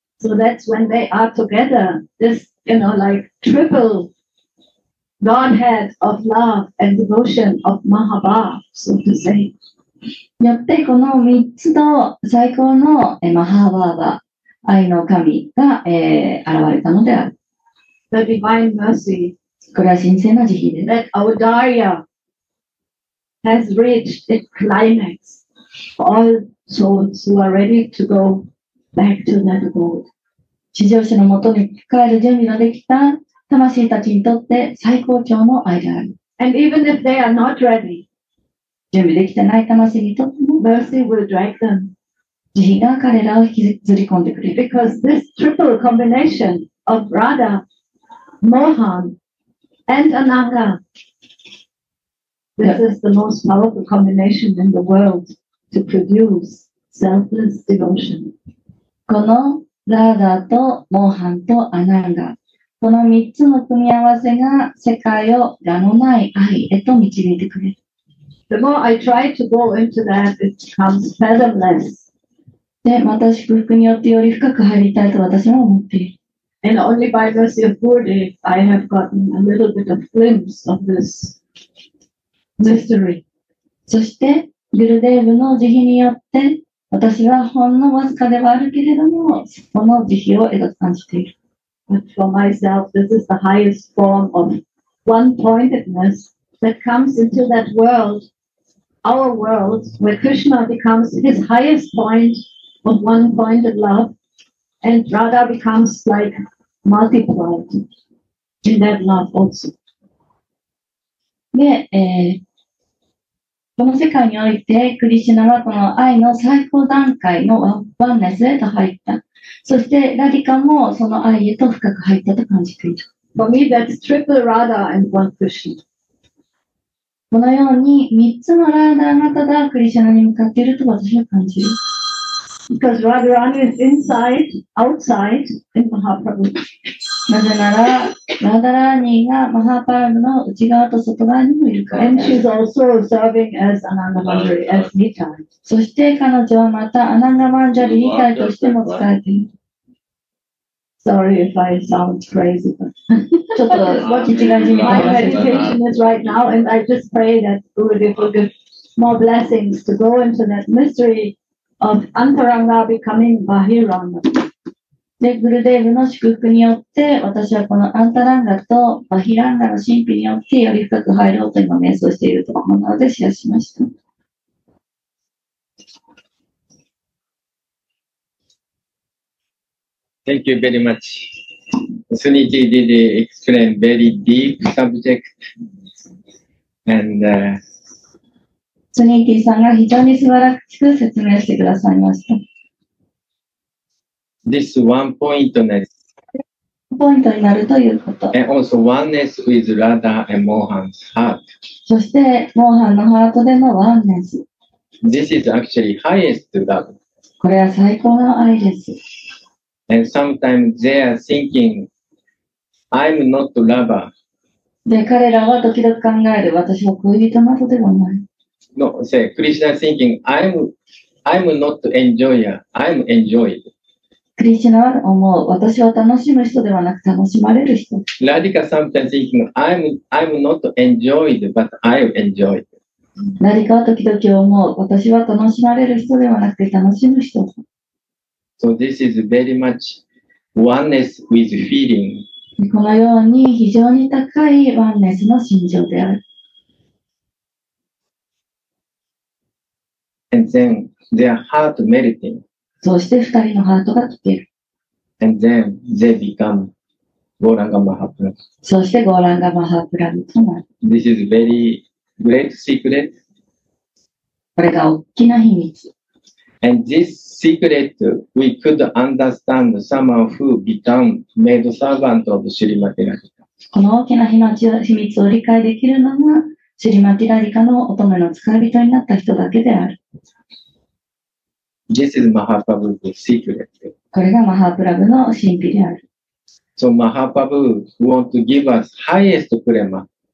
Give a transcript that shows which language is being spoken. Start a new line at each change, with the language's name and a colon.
English: So that's when they are together, this, you know, like triple Godhead of love and devotion of Mahabhava, so to say.
Japanese: よってこの3つの最高のマハーバーバ愛の神が、現れたのである。
English: The divine mercy
Japanese: これは神聖な慈悲です。
English: That Audarya has reached its climax for all souls who are ready to go back to that gold.
Japanese: 地上主のもとに帰る準備のできた魂たちにとって最高潮の愛である。
English: And even if they are not ready
Japanese: 準備できてない魂にとっても
English: Mercy will drag them.
Japanese: 慈悲が彼らを引きずり込んでくれる。
English: Because this triple combination of Radha, Mohan and Ananga, this is the most powerful combination in the world. to produce selfless devotion.
Japanese: このラーガとモーハンとアナンガ、この3つの組み合わせが世界を我のない愛へと導いてくれる。
English: The more I try to go into that, it becomes fathomless.
Japanese: で、また祝福によってより深く入りたいと私も思っている。
English: And only by mercy of God, I have gotten a little bit of glimpse of this mystery.
Japanese: そして、グルデーブの慈悲によって、私はほんのわずかではあるけれども、この慈悲を得たと感じている。
English: But for myself, this is the highest form of one-pointedness that comes into that world, our world, where Krishna becomes his highest point of one-pointed love. And Radha becomes like multiplied in that love also.
Japanese: で、この世界において、クリシュナはこの愛の最高段階のワンネスへと入った。そして、ラディカもその愛へと深く入ったと感じている。
English: For me, that's triple Radha and one Krishna.
Japanese: このように、三つのラーダがただクリシュナに向かっていると私は感じる。
English: Because Radharani is inside, outside, in Mahaprabhu.
Japanese: なぜなら、Radharani がマハパラブの内側と外側にもいるから。
English: And she's also serving as Ananda Manjari, as Nita.
Japanese: そして彼女はまた Ananda Manjari ニタイとしても使えている。
English: Sorry if I sound crazy, but. My meditation is right now, and I just pray that Guru will give more blessings to go into that mystery. Of Antaranga becoming Bahiranga.
Japanese: で、グルデーブの祝福によって、私はこのアンタランガとバヒランガの神秘によってより深く入ろうと今瞑想しているところなのでシェアしました。
English: Thank you very much. Suniti did explain very deep subject and.
Japanese: スニーティーさんが非常に素晴らしく説明してくださいました。
English: This one pointness.
Japanese: One point になるということ。
English: And also oneness with Radha and Mohan's heart.
Japanese: そして、モーハンのハートでのワンネス。
English: This is actually highest love.
Japanese: これは最高の愛です。
English: And sometimes they are thinking, I'm not lover.
Japanese: で、彼らは時々考える、私は恋人などではない。
English: No, say, Krishna thinking, I'm not enjoyer, I'm enjoyed.
Japanese: Krishna は思う、私は楽しむ人ではなく楽しまれる人。
English: Radhika sometimes thinking, I'm not enjoyed, but I enjoyed.
Japanese: Radhika は時々思う、私は楽しまれる人ではなくて楽しむ人。
English: So this is very much oneness with feeling.
Japanese: このように非常に高いワンネスの心情である。
English: And then their heart melting.
Japanese: そして二人のハートが溶ける。
English: And then they become Gauranga Mahaprabhu.
Japanese: そして Gauranga Mahaprabhu となる。
English: This is very great secret.
Japanese: これが大きな秘密。
English: And this secret we could understand someone who became maid servant of Srimati Radhika.
Japanese: この大きな秘密を理解できるのはシリマティラリカの乙女の使い人になった人だけである。
English: This is Mahaprabhu's secret.
Japanese: これがマハプラブの神秘である。
English: So Mahaprabhu want to give us highest prema.